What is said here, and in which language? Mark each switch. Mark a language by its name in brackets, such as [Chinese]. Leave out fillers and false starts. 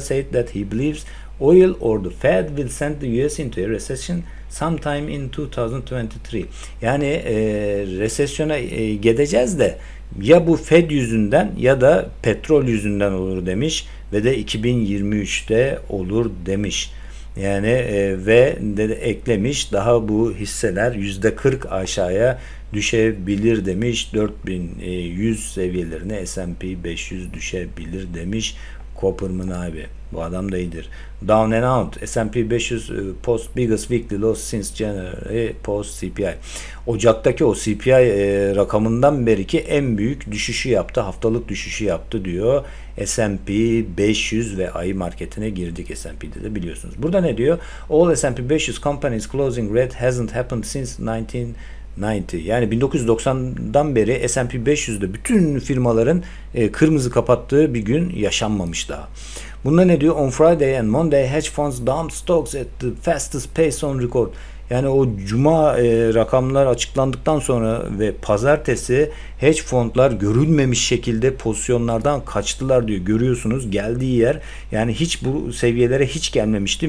[English] Said that he believes oil or the Fed will send the US into a recession sometime in 2023. [Turkish] Yani resesyona gideceğiz de ya bu Fed yüzünden ya da petrol yüzünden olur demiş ve de 2023'te olur demiş. Yani ve de eklemiş daha bu hisseler %40 aşağıya düşebilir demiş. 4100 seviyelerine S&P 500 düşebilir demiş Cooperman abi. Bu adam da iyidir. [English] Down and out. S&P 500 post biggest weekly loss since January post CPI. [Turkish] Ocaktaki o CPI rakamından beriki en büyük düşüşü yaptı. Haftalık düşüşü yaptı diyor. S&P 500 ve ayı marketine girdik S&P'de de biliyorsunuz. Burada ne diyor? [English] All S&P 500 companies closing red hasn't happened since 1990. [Turkish] Yani 1990'dan beri S&P 500'de bütün firmaların kırmızı kapattığı bir gün yaşanmamış daha. Bunda ne diyor? [English] On Friday and Monday hedge funds dumped stocks at the fastest pace on record. [Turkish] Yani o cuma rakamlar açıklandıktan sonra ve pazartesi hedge fondlar görülmemiş şekilde pozisyonlardan kaçtılar diyor. Görüyorsunuz geldiği yer yani hiç bu seviyelere hiç gelmemişti.